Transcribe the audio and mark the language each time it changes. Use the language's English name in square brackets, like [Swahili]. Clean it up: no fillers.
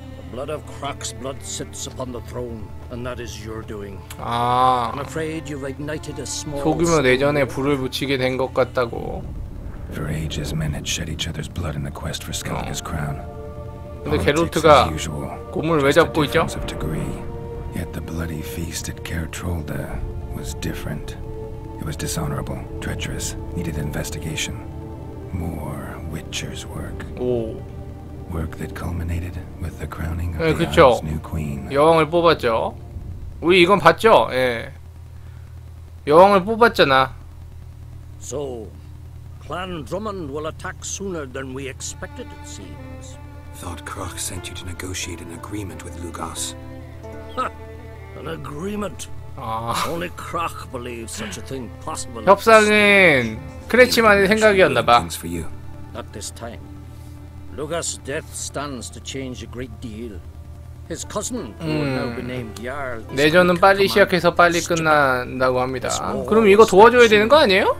[English] Blood of Crock's blood sits upon the throne, and that is your doing. I'm afraid you've ignited a small. [Korean] 소규모 내전에 불을 붙이게 된 것 같다고. [English] For ages, men had shed each other's blood in the quest for Skellige's crown. [Korean] 근데 게롤트가 곰을 왜 잡고 있죠? [English] Yet the bloody feast at Caer Trolde was different. It was dishonorable, treacherous, needed investigation. More Witcher's work. Work that culminated with the crowning of the Isles' new queen. [Korean] 여왕을 뽑았죠. 우리 이건 봤죠. 예. 여왕을 뽑았잖아. [English] So, Clan Drummond will attack sooner than we expected. It seems. Thought Croc sent you to negotiate an agreement with Lugas. An agreement. Only Croc believes such a thing possible. [Korean] 협상은 크레치만의 생각이었나 봐. [English] Not this time. Lugas' death stands to change a great deal. His cousin, who will now be named Jarl. [Korean] 내전은 빨리 시작해서 빨리 끝난다고 합니다. 그럼 이거 도와줘야 되는 거 아니에요?